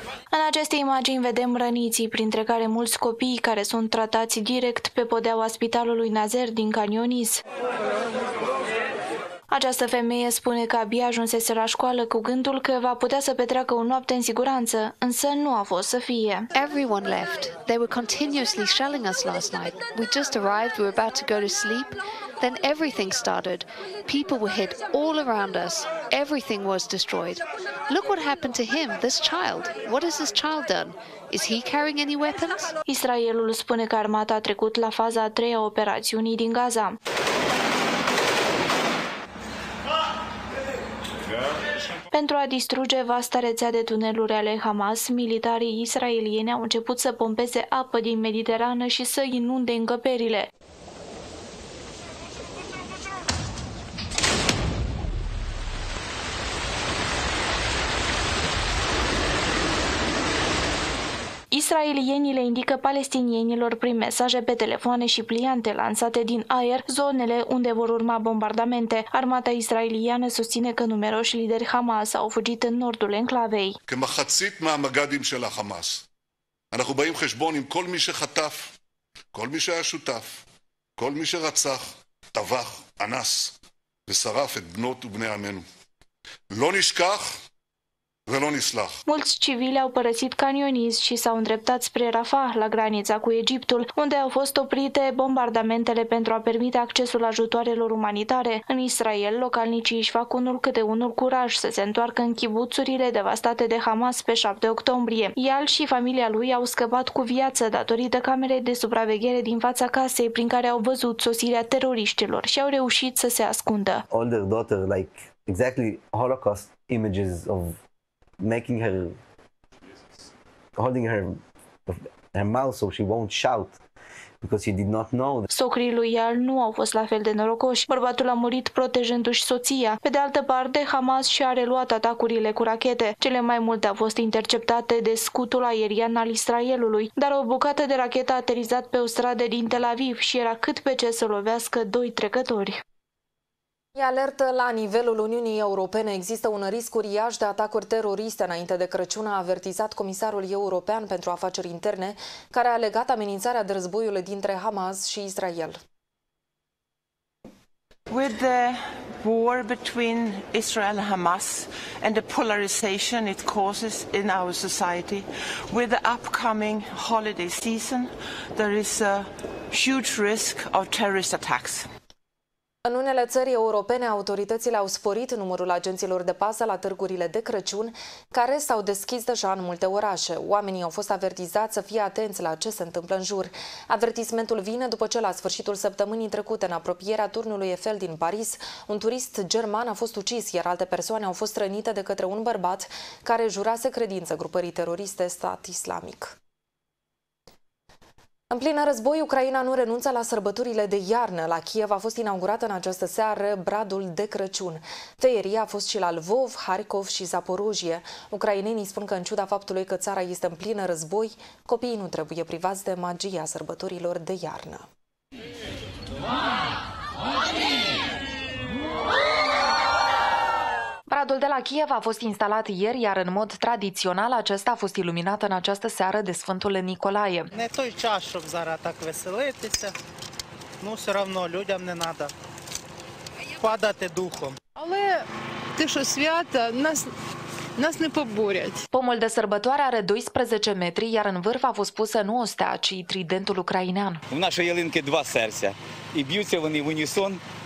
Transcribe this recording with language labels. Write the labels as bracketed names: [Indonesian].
[Romanian] În aceste imagini vedem răniții, printre care mulți copii care sunt tratați direct pe podeaua spitalului Nazer din Khan Yunis. Această femeie spune că abia ajunsese la școală cu gândul că va putea să petreacă o noapte în siguranță, însă nu a fost să fie. [English] Everyone left. They were continuously shelling us last night. We just arrived, we were about to go to sleep. Then everything started. People were hit all around us. Everything was destroyed. Look what happened to him, this child. What has this child done? Is he carrying any weapons? [Romanian] Israelul spune că armata a trecut la faza a treia operațiunii din Gaza. Pentru a distruge vasta rețea de tuneluri ale Hamas, militarii israelieni au început să pompeze apă din Mediterană și să inunde încăperile. Israelienii le indică palestinienilor prin mesaje pe telefoane și pliante lansate din aer zonele unde vor urma bombardamente. Armata israeliană susține că numeroși lideri Hamas au fugit în nordul enclavei. [Hebrew] כמחצית מהמגדים של החמאס. אנחנו באים חשבון עם כל מי שחטף, כל מי שהיה שותף, כל מי שרצח, טבח, אנס ושרף את בנות ובני עמנו. לא נשכח [Romanian] Mulți civili au părăsit canioniz și s-au îndreptat spre Rafah, la granița cu Egiptul, unde au fost oprite bombardamentele pentru a permite accesul ajutoarelor umanitare. În Israel, localnicii își fac unul câte unul curaj să se întoarcă în kibuțurile devastate de Hamas pe 7 octombrie. Ial și familia lui au scăpat cu viață datorită camerei de supraveghere din fața casei, prin care au văzut sosirea teroriștilor și au reușit să se ascundă. [English] Older daughter, like exactly Holocaust images of making her, holding her mouth so she won't shout because she did not know. [Romanian] Socrii lui Yal nu au fost la fel de norocoși. Bărbatul a murit protejându-și soția. Pe de altă parte, Hamas și-a reluat atacurile cu rachete. Cele mai multe au fost interceptate de scutul aerian al Israelului, dar o bucată de rachetă a aterizat pe o stradă din Tel Aviv și era cât pe ce să lovească doi trecători. Alertă la nivelul Uniunii Europene. Există un risc uriaș de atacuri teroriste. Înainte de Crăciun a avertizat Comisarul European pentru Afaceri Interne, care a legat amenințarea de războiul dintre Hamas și Israel. [English] With the war between Israel and Hamas and the polarization it causes in our society, with the upcoming holiday season, there is a huge risk of terrorist attacks. [Romanian] În unele țări europene, autoritățile au sporit numărul agenților de pază la târgurile de Crăciun, care s-au deschis deja în multe orașe. Oamenii au fost avertizați să fie atenți la ce se întâmplă în jur. Avertismentul vine după ce, la sfârșitul săptămânii trecute, în apropierea turnului Eiffel din Paris, un turist german a fost ucis, iar alte persoane au fost rănite de către un bărbat care jurase credință grupării teroriste Stat Islamic. În plină război, Ucraina nu renunță la sărbătorile de iarnă. La Kiev a fost inaugurată în această seară bradul de Crăciun. Tăieria a fost și la Lvov, Harkov și Zaporojie. Ucrainenii spun că, în ciuda faptului că țara este în plină război, copiii nu trebuie privați de magia sărbătorilor de iarnă. Bradul de la Kiev a fost instalat ieri, iar în mod tradițional acesta a fost iluminat în această seară de Sfântul Nicolae. [Ukrainian] Не той час, щоб зараз так веселитися. [Russian] Ну, все равно людям не надо [Ukrainian] падати духом. Але те, що свята, нас не поборять. [Romanian] Pomul de sărbătoare are 12 metri, iar în vârf a fost pusă nu o stea, ci tridentul ucrainean. [Ukrainian] У нашої ялинки два серця, і б'ються вони в унісон.